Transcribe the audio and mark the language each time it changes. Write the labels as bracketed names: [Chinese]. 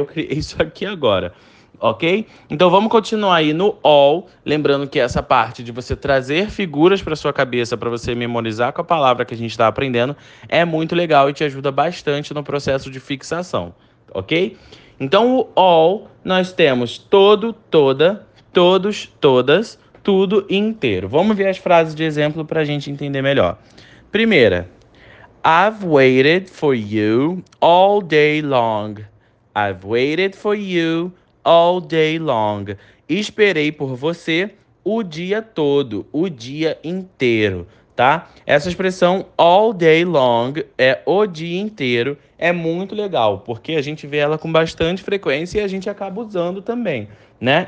[Portuguese] Eu criei isso aqui agora, ok? Então vamos continuar aí no all, lembrando que essa parte de você trazer figuras para sua cabeça, para você memorizar com a palavra que a gente está aprendendo, é muito legal e te ajuda bastante no processo de fixação, ok? Então o all nós temos todo, toda, todos, todas. Tudo inteiro. Vamos ver as frases de exemplo para a gente entender melhor. [English] Primeira, I've waited for you all day long. I've waited for you all day long. [Portuguese] Esperei por você o dia todo, o dia inteiro, tá? Essa expressão [English] all day long [Portuguese] é o dia inteiro. É muito legal, porque a gente vê ela com bastante frequência e a gente acaba usando também, né?